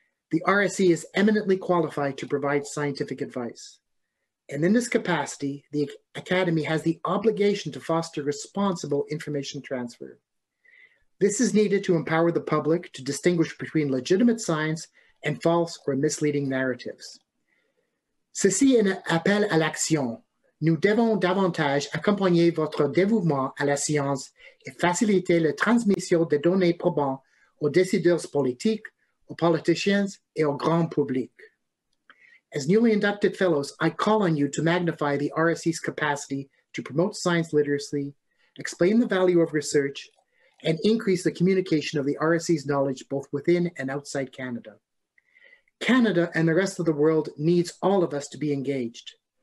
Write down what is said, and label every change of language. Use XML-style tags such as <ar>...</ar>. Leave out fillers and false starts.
<en>The RSC is eminently qualified to provide scientific advice. And in this capacity, the Academy has the obligation to foster responsible information transfer. This is needed to empower the public to distinguish between legitimate science and false or misleading narratives.</en> <fr>Ceci est un appel à l'action. Nous devons davantage accompagner votre dévouement à la science et faciliter la transmission des données probantes aux décideurs politiques, aux politiciens et au grand public.</fr> <en>As newly inducted fellows, I call on you to magnify the RSC's capacity to promote science literacy, explain the value of research, and increase the communication of the RSC's knowledge both within and outside Canada. Canada and the rest of the world needs all of us to be engaged.</en>